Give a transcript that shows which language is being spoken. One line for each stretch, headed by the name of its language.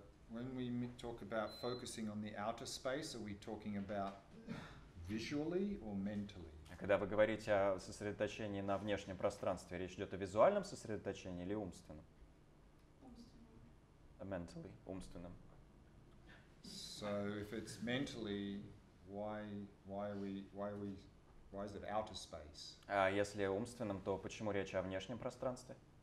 English: When we talk about focusing on the outer space, are we talking about visually or mentally?
Russian: Когда вы говорите о сосредоточении на внешнем пространстве, речь идет о визуальном сосредоточении или умственном? Умственном.
English: Mentally,
Russian: умственном.
English: So if it's mentally, why is it outer space?
Russian: А если умственном, то почему речь о внешнем пространстве?